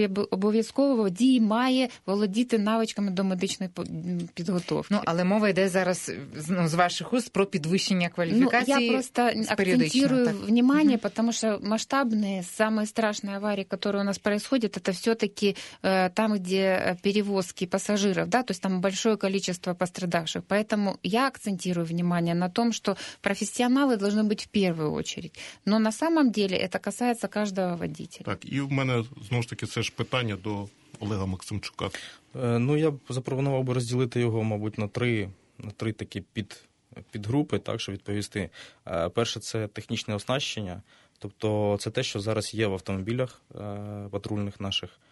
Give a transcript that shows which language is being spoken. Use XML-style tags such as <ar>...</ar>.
<uk>Обов'язково водій має володіти навичками до медичної підготовки. Ну, але мова йде зараз, ну, з ваших уст про підвищення кваліфікації.</uk> <ru>Ну, я просто акцентирую внимание, потому что масштабные, самые страшные аварии, которые у нас происходят, это все-таки там, где перевозки пассажиров, да, то есть там большое количество пострадавших. Поэтому я акцентирую внимание на том, что профессионалы должны быть в первую очередь. Но на самом деле это касается каждого водителя.</ru> <uk>Так,</uk> <ru>и у меня,</ru> <uk>знову ж таки, це ж питання до Олега Максимчука. Ну, я запропонував би розділити його, мабуть, на три такі підгрупи, так, щоб відповісти. Перше – це технічне оснащення, тобто це те, що зараз є в автомобілях патрульних наших.</uk>